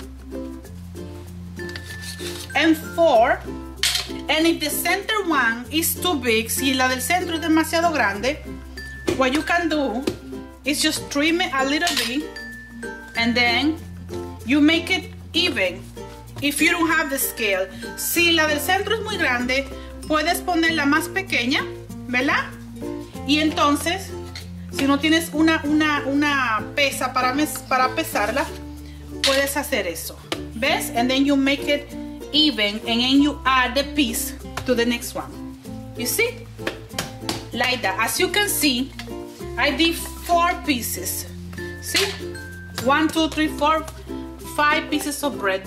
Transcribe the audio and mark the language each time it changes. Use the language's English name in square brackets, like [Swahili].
[English] Three. And four. And if the center one is too big, [Spanish] si la del centro es demasiado grande, [English] what you can do is just trim it a little bit and then you make it even if you don't have the scale. [Spanish] Si la del centro es muy grande, puedes poner la más pequeña, ¿verdad? Y entonces, si no tienes una pesa para pesarla, puedes hacer eso. ¿Ves? [English] And then you make it even, and then you add the piece to the next one. You see? Like that. As you can see, I did 4 pieces. See? 1, 2, 3, 4, 5 pieces of bread.